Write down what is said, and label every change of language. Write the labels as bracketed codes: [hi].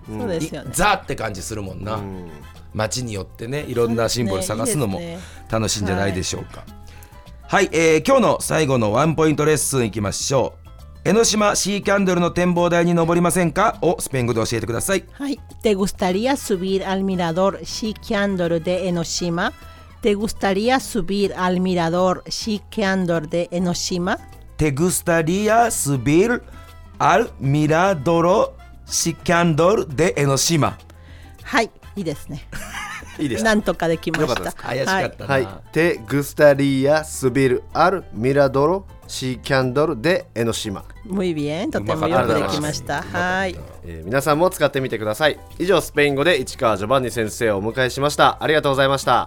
[ja] うん、そうですよね、ザって感じするもんな。街によってね、いろんなシンボル探すのも楽しいんじゃないでしょうか。はい、今日の最後のワンポイントレッスンいきましょう。江ノ島シーキャンドルの展望台に登りませんかをスペイン語で教えてください。はい。 [es] ¿Te gustaría subir al mirador Sea Candle de Enoshima? ¿Te gustaría subir al mirador Sea Candle de Enoshima? ¿Te gustaría subir al mirador Sea Candle de Enoshima? [ja] はい、いいですね。いいです。なんとかできました。怪しかったな。はい。 [es] テグスタリアスビルアルミラドロシーキャンドルデエノシマ。ムイビエン。 [ja] とてもよくできました。はい、皆さんも使ってみてください。以上、スペイン語で市川ジョバンニ先生をお迎えしました。ありがとうございました。